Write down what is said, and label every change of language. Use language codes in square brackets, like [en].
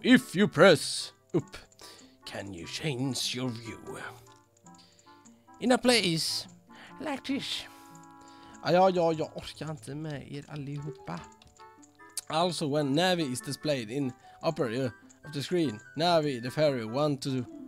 [en] If you press up, can you change your view? In a place like this. [sv] Ja, orkar inte med er allihopa. [en] Also, when Navi is displayed in upper of the screen, Navi, the fairy, want to...